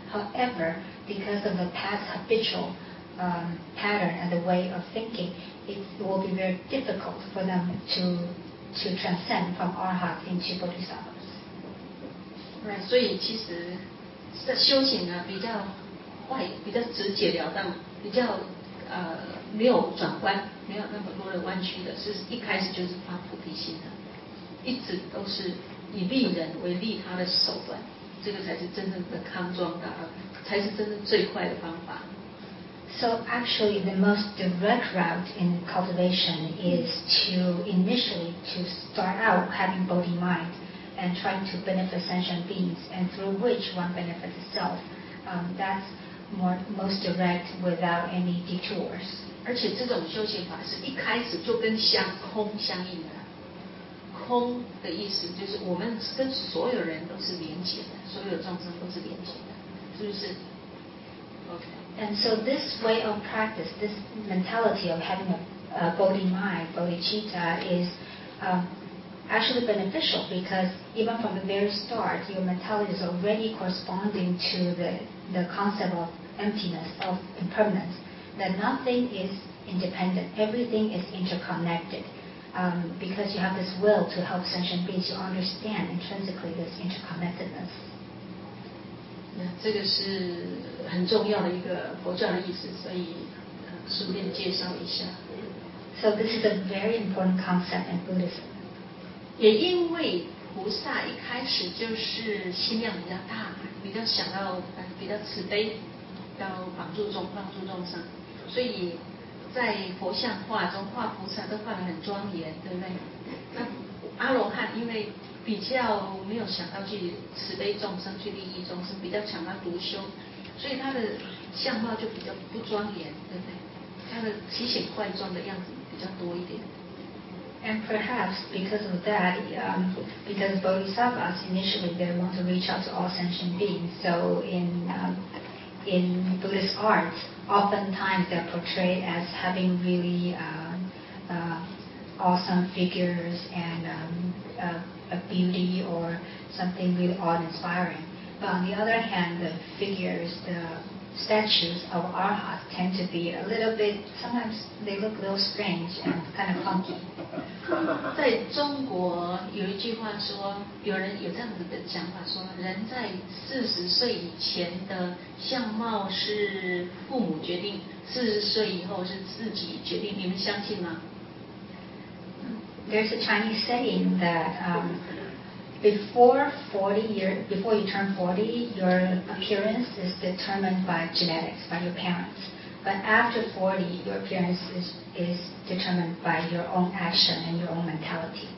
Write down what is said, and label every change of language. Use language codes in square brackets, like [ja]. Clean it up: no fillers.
[en] However, because of the past habitual pattern and the way of thinking, it will be very difficult for them to transcend from arhat into bodhisattvas. [zh] Right, 所以其实在修行啊比较坏，比较直截了当，比较没有转弯，没有那么多的弯曲的，是一开始就是发菩提心的，一直都是以利人为利他的手段。这个才是真正的康庄达，才是真正最快的方法。 [en] So actually, the most direct route in cultivation is to initially to start out having Bodhi mind and trying to benefit sentient beings, and through which one benefits itself. That's more most direct without any detours. [zh] 而且这种修行法是一开始就跟相空相应的。空的意思就是我们跟所有人都是连结的，所有众生都是连结的，是不是？ [en] Okay. And so this way of practice, this mentality of having a Bodhi mind, Bodhicitta, is actually beneficial because even from the very start, your mentality is already corresponding to the concept of emptiness, of impermanence, that nothing is independent, everything is interconnected. Because you have this will to help sentient beings, you understand intrinsically this interconnectedness. [zh] 那这个是很重要的一个佛教的意思，所以顺便介绍一下。 [en] So this is a very important concept in Buddhism. [zh] 也因为菩萨一开始就是心量比较大，比较想要比较慈悲，要帮助众生，所以在佛像画中画菩萨都画得很庄严，对不对？那阿罗汉因为比较没有想到去慈悲众生，去利益众生，比较想要独修，所以他的相貌就比较不庄严，对不对？他的奇形怪状的样子比较多一点。 [en] And perhaps because of that, because Bodhisattvas initially they want to reach out to all sentient beings, so in Buddhist art, oftentimes they're portrayed as having really awesome figures and a beauty or something really awe-inspiring. But on the other hand, the figures, the statues of arhats tend to be a little bit, sometimes they look a little strange and kind of funky. 在中国有一句话说，有人有这样子的讲法说，人在四十岁以前的相貌是父母决定，四十岁以后是自己决定，你们相信吗？ There's a Chinese saying that before you turn 40, your appearance is determined by genetics, by your parents. But after 40, your appearance is determined by your own action and your own mentality.